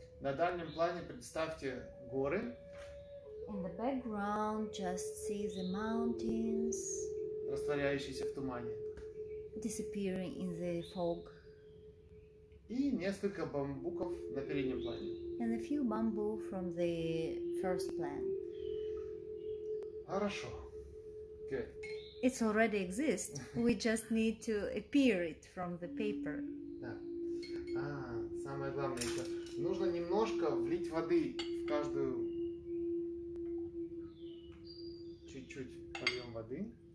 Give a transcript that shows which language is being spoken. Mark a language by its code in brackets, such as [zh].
[ru] На дальнем плане представьте горы. [en] In the background, just see the mountains. [ru] Растворяющиеся в тумане. [en] Disappearing in the fog. [ru] И несколько бамбуков на переднем плане. [en] And a few bamboo from the first plan. [ru] Хорошо. [en] Good. It already exists. We just need to appear it from the paper. [ru] Да. Самое главное еще. Нужно немножко влить воды в каждую. Чуть-чуть польем воды.